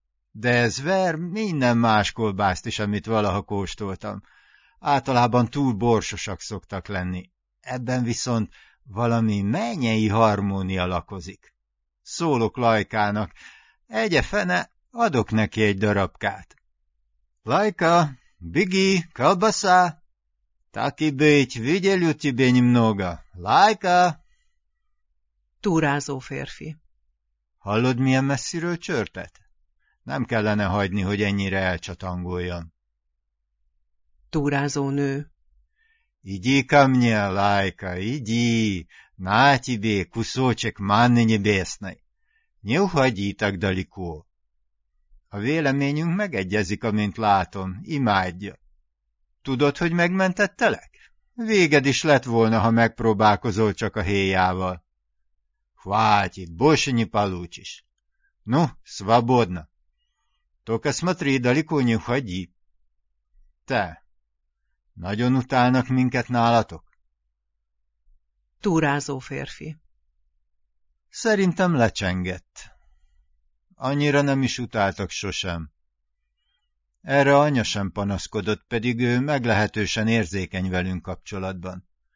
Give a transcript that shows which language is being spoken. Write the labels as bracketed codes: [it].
[hu] De ez ver minden más kolbászt is, amit valaha kóstoltam. Általában túl borsosak szoktak lenni. Ebben viszont valami mennyei harmónia lakozik. Szólok Lajkának, egye fene, adok neki egy darabkát. [ru] Лайка, беги, колбаса. Так и быть, выделю тебе немного. Лайка! [hu] Túrázó férfi. Hallod, milyen messziről csörtet? Nem kellene hagyni, hogy ennyire elcsatangoljon. Túrázó nő. [ru] Иди ко мне, Лайка, иди. На тебе кусочек манны небесной. Не уходи так далеко. [hu] A véleményünk megegyezik, amint látom, imádja. Tudod, hogy megmentettelek? Véged is lett volna, ha megpróbálkozol csak a héjával. [ru] Хватит, больше не получишь. Ну, свободно. Только смотри, далеко не уходи. [hu] Te, nagyon utálnak minket nálatok? Túrázó férfi. Szerintem lecsengett. Annyira nem is utáltak sosem. Erre anya sem panaszkodott, pedig ő meglehetősen érzékeny velünk kapcsolatban.